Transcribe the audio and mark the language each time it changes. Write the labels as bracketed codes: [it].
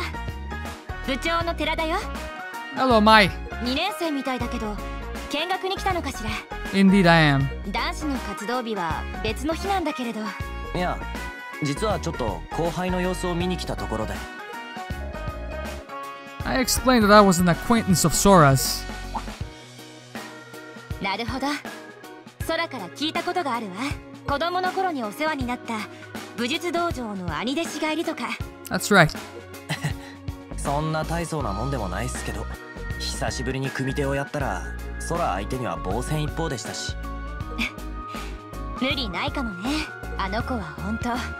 [ja] うちは部活動にも力を入れているほうらしいわ。あら、お客さん。こんにちは。部長の寺だよ。 [en] Hello, Mai. [ja] 2年生みたいだけど見学に来たのかしら? [en] Indeed, I am. [ja] 男子の活動日は別の日なんだけれど。いや。 [en] I explained that I was an acquaintance of Sora's. [ja] なるほど。空から聞いたことがあるわ。子供の頃にお世話になった武術道場の兄弟子がいるとか。 [en] That's right。 [ja] そんな大層なもんでもないっすけど、久しぶりに組手をやったら、空相手には防戦一方でしたし。無理ないかもね。あの子は本当。